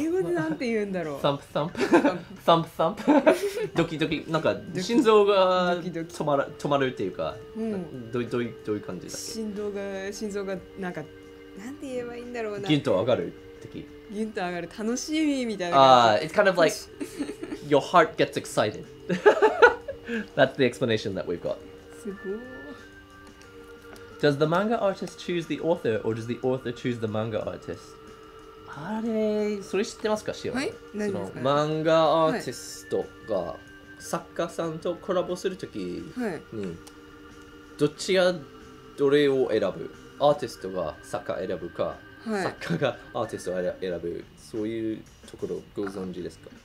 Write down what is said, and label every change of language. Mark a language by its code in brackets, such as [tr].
[ja] 英語でなんて言うんだろう？ [en] Thump thump. Thump thump. ドキドキ。 [ja] なんか心臓が止まるっていうか、どういう感じだっけ？心臓がなんかなんて言えばいいんだろうな。ギュンと上がる的。ギュンと上がる楽しみみたいな。 [en] It's kind of like your heart gets excited. That's the explanation that we've got. [ja] すごい。 [en] Does the manga artist choose the author, or does the author choose the manga artist? [ja] あれ、それ知ってますか、シオン？はい、何ですか？その漫画アーティストが作家さんとコラボするときに、はい、どっちがどれを選ぶ？アーティストが作家選ぶか、はい、作家がアーティストを選ぶ、そういうところご存知ですか？